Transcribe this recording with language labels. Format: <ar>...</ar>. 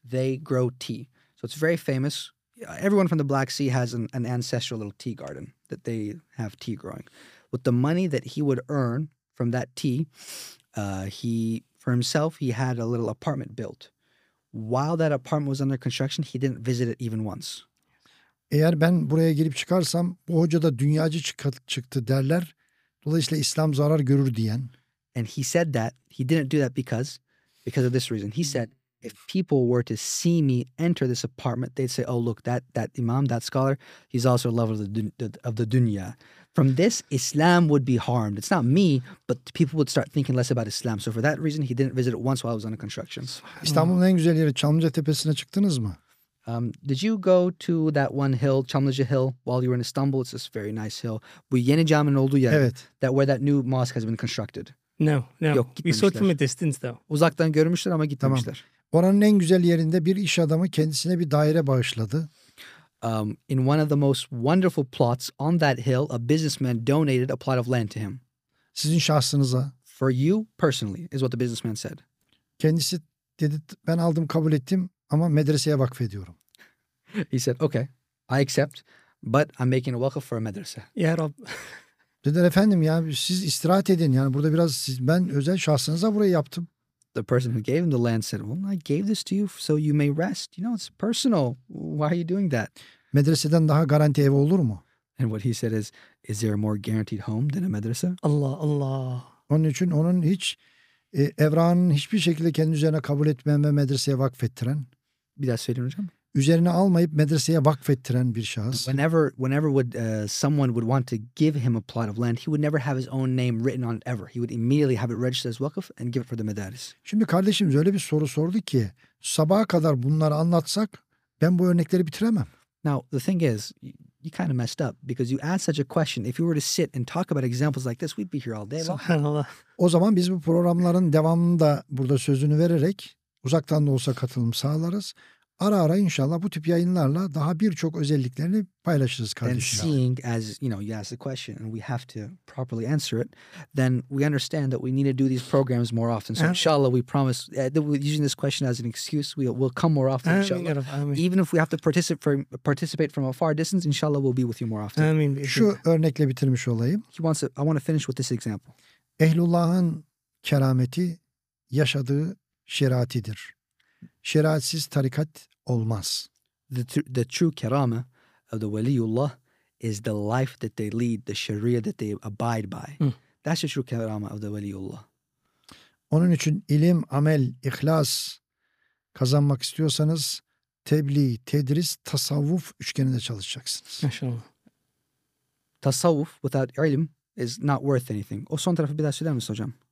<en>They grow tea, so it's very famous. Everyone from the Black Sea has an ancestral little tea garden that they have tea growing. With the money that he would earn from that tea, he had a little apartment built. While that apartment was under construction, he didn't visit it even once.</en> <tr>Eğer ben buraya gelip çıkarsam, bu hoca da dünyacı çıktı derler. Dolayısıyla İslam zarar görür diyen.</tr> <en>And he said that. He didn't do that because of this reason. He said, if people were to see me enter this apartment, they'd say, oh, look, that imam, that scholar, he's also a lover of the dunya. From this, Islam would be harmed. It's not me, but people would start thinking less about Islam. So for that reason, he didn't visit it once while I was under construction.</en> <tr>İstanbul'un en güzel yeri Çamlıca Tepesi'ne çıktınız mı?</tr> <en>Did you go to that one hill, Çamlıca Hill, while you were in Istanbul? It's this very nice hill.</en> <tr>Bu yeni caminin olduğu yer. Evet.</tr> <en>That where that new mosque has been constructed. No.</en> <tr>Yok, gitmemişler.</tr> <en>We saw it from a distance though.</en> <tr>Uzaktan görmüşler ama gitmemişler. Tamam. Oranın en güzel yerinde bir iş adamı kendisine bir daire bağışladı.</tr> <en>In one of the most wonderful plots on that hill, a businessman donated a plot of land to him.</en> <tr>Sizin şahsınıza.</tr> <en>For you personally, is what the businessman said.</en> <tr>Kendisi dedi, ben aldım, kabul ettim ama medreseye vakfediyorum.</tr> <en>He said, okay, I accept, but I'm making a wakf for a medrese.</en> <tr>Ya Rab. Dediler, efendim ya, siz istirahat edin. Yani burada biraz ben özel şahsınıza burayı yaptım.</tr> <en>The person who gave him the land said, well, I gave this to you so you may rest. You know, it's personal. Why are you doing that?</en> <tr>Medreseden daha garanti ev olur mu?</tr> <en>And what he said is there a more guaranteed home than a medrese?</en> <tr>Allah Allah. Onun için onun hiç, evrağının hiçbir şekilde kendi üzerine kabul etmeyen ve medreseye vakfettiren. Bir daha söyleyeyim hocam. Üzerine almayıp medreseye vakfettiren bir şahıs.</tr> <en>Whenever would someone would want to give him a plot of land, he would never have his own name written on it ever. He would immediately have it registered as wakf and give it for the medaris.</en> <tr>Şimdi kardeşimiz öyle bir soru sordu ki, sabaha kadar bunları anlatsak ben bu örnekleri bitiremem.</tr> <en>Now, the thing is, you kind of messed up because you asked such a question. If you were to sit and talk about examples like this, we'd be here all day.</en> <tr>Subhanallah. O zaman biz bu programların devamını da burada sözünü vererek uzaktan da olsa katılım sağlarız. Ara ara inşallah bu tip yayınlarla daha birçok özelliklerini paylaşırız kardeşim.</tr> <en>And seeing as, you know, you ask the question and we have to properly answer it, then we understand that we need to do these programs more often. So inshallah we promise, using this question as an excuse, we'll come more often inshallah. Even if we have to participate from a far distance, inshallah we'll be with you more often.</en> <tr>Şu örnekle bitirmiş olayım.</tr> <en>I want to finish with this example.</en> <tr>Ehlullah'ın kerameti yaşadığı şeriatidir. Şeriatsiz tarikat olmaz.</tr> <en>The true kerama of the waliullah is the life that they lead, the sharia that they abide by. Mm. That's the true kerama of the waliullah.</en> <tr>Onun için ilim, amel, ihlas kazanmak istiyorsanız tebliğ, tedris, tasavvuf üçgeninde çalışacaksınız. Maşallah.</tr> <en>Tasavvuf without ilim is not worth anything.</en> <tr>O son tarafı bir daha söyler misin hocam?</tr>